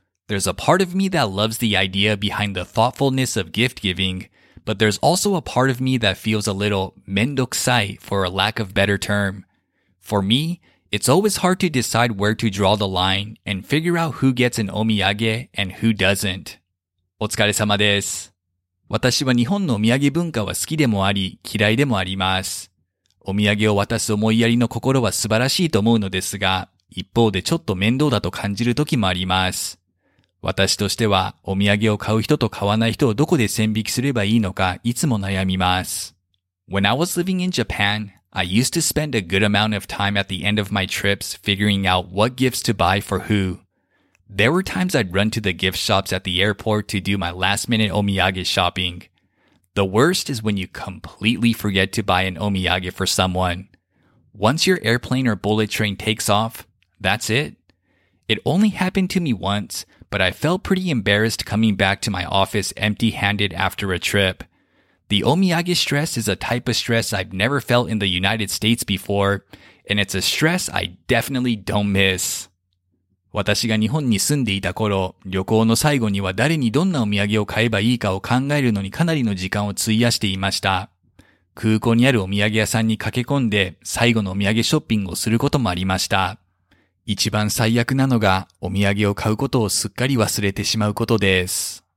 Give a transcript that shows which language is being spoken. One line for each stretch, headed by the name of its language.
English: There's a part of me that loves the idea behind the thoughtfulness of gift-giving, but there's also a part of me that feels a little mendokusai, for a lack of better term. For me, it's always hard to decide where to draw the line and figure out who gets an omiyage and who doesn't.
Japanese: お疲れ様です。私は日本のお土産文化は好きでもあり、嫌いでもあります。お土産を渡す思いやりの心は素晴らしいと思うのですが、一方でちょっと面倒だと感じる時もあります。私としては、お土産を買う人と買わない人をどこで線引きすればいいのか、いつも悩みます。
English: When I was living in Japan, I used to spend a good amount of time at the end of my trips figuring out what gifts to buy for who. There were times I'd run to the gift shops at the airport to do my last-minute omiyage shopping. The worst is when you completely forget to buy an omiyage for someone. Once your airplane or bullet train takes off, that's it. It only happened to me once, but I felt pretty embarrassed coming back to my office empty-handed after a trip. The omiyage stress is a type of stress I've never felt in the United States before, and it's a stress I definitely don't miss.
Japanese: 私が日本に住んでいた頃、旅行の最後には誰にどんなお土産を買えばいいかを考えるのにかなりの時間を費やしていました。空港にあるお土産屋さんに駆け込んで最後のお土産ショッピングをすることもありました。一番最悪なのが、お土産を買うことをすっかり忘れてしまうことです。